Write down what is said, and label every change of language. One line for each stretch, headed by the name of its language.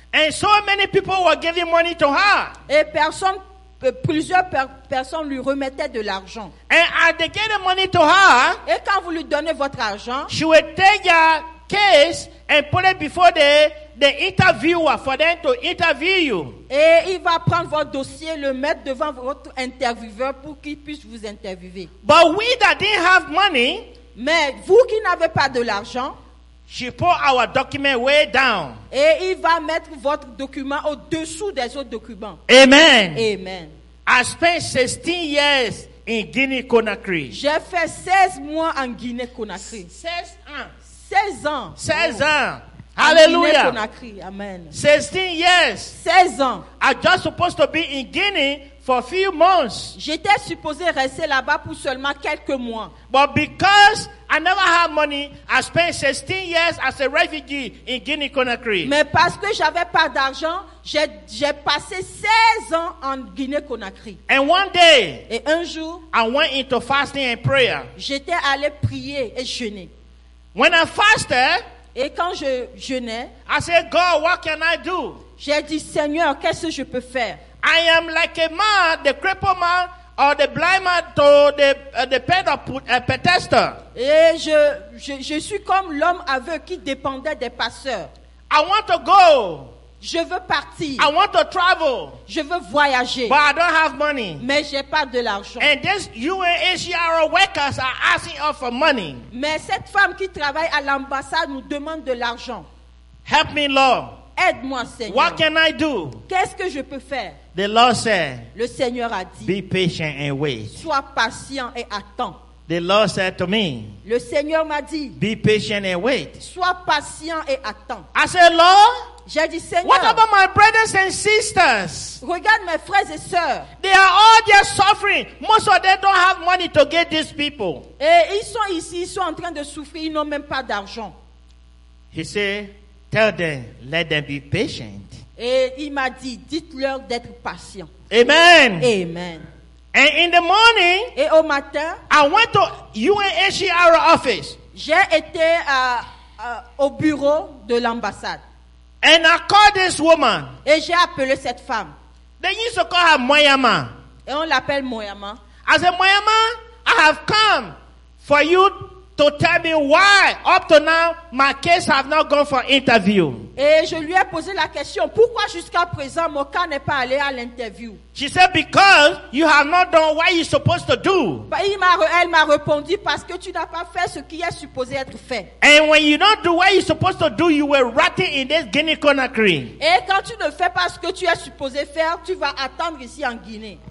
English: And so many people were giving money to her.
French: Et plusieurs personnes lui remettaient de l'argent.
English: And as they gave the money to her,
French: et quand vous lui donnez votre argent,
English: she would take your case and put it before the interviewer for them to interview you.
French: Et il va prendre votre dossier, le mettre devant votre intervieweur pour qu'il puisse vous interviewer.
English: But we that didn't have money,
French: mais vous qui n'avez pas de l'argent,
English: she put our document way down.
French: Et il va mettre votre document au-dessous des autres documents.
English: Amen.
French: Amen.
English: I spent 16 years in Guinea Conakry.
French: J'ai fait 16 mois en Guinée Conakry. 16 ans. 16 ans. 16 ans. Hallelujah. Amen.
English: 16 years.
French: 16 ans.
English: I just supposed to be in Guinea for a few months.
French: J'étais supposé rester là-bas pour seulement quelques mois.
English: But because I never had money, I spent 16 years as a refugee in Guinea Conakry.
French: Mais parce que j'avais pas d'argent, j'ai passé 16 ans en Guinée Conakry.
English: And one day,
French: et un jour,
English: I went into fasting and prayer.
French: J'étais allé prier et jeûner.
English: When I fasted,
French: et quand je jeûnais,
English: I said, God, what can I do?
French: J'ai dit, Seigneur, qu'est-ce que je peux faire?
English: I am like a man, the crippled man, or the blind man to the bed of Bethesda.
French: Et je suis comme l'homme aveugle qui dépendait des passeurs.
English: I want to go.
French: Je veux partir.
English: I want to travel.
French: Je veux voyager.
English: But I don't have money.
French: Mais j'ai pas de l'argent.
English: And these UNHCR workers are asking us for money.
French: Mais cette femme qui travaille à l'ambassade nous demande de l'argent.
English: Help me, Lord.
French: Aide-moi, Seigneur.
English: What can I do?
French: Qu'est-ce que je peux faire?
English: The Lord said.
French: Le Seigneur a dit.
English: Be patient and wait.
French: Sois patient et attends.
English: The Lord said to me.
French: Le Seigneur m'a dit.
English: Be patient and wait.
French: Sois patient et attends.
English: I said, Lord.
French: J'ai dit, Seigneur,
English: what about my brothers and sisters?
French: Regarde mes frères et sœurs.
English: They are all there suffering. Most of them don't have money to get these people.
French: Et ils sont ici, ils sont en train de souffrir, ils n'ont même pas d'argent.
English: He said, tell them, let them be patient.
French: Et il m'a dit, dites-leur d'être patient.
English: Amen.
French: Amen.
English: And in the morning,
French: et au matin,
English: I went to UNHCR office.
French: J'ai été au bureau de l'ambassade.
English: And I called this woman.
French: Et j'ai appelé cette femme.
English: They used to call her Moyama.
French: Et on l'appelle Moyama.
English: I said, Moyama, I have come for you to tell me why up to now my case have not gone for interview.
French: Et je lui ai posé la question, pourquoi jusqu'à présent mon cas n'est pas allé à l'interview?
English: She said, because you have not done what you're supposed to do.
French: Elle m'a répondu, parce que tu n'as pas fait ce qui est supposé être fait.
English: And when you don't do what you're supposed to do, you will rot in this Guinea Conakry.
French: Et quand tu ne fais pas ce que tu es supposé faire, tu vas attendre ici en Guinée.